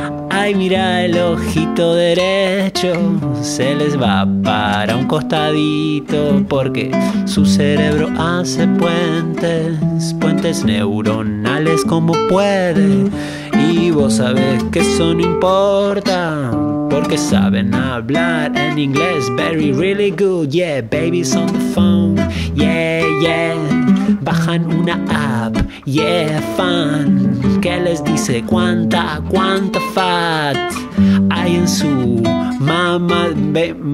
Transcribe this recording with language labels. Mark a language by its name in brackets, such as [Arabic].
[Spanish] Ay, mira el ojito derecho, se les va para un costadito porque su cerebro hace puentes, puentes neuronales como puede. Y vos sabés que eso no importa porque saben hablar en inglés. [English] Very, really good, yeah, babies on the phone, yeah, yeah. [Spanish] Bajan una app, [English] yeah, fun, [Spanish] que les dice cuánta fat hay en su mamadera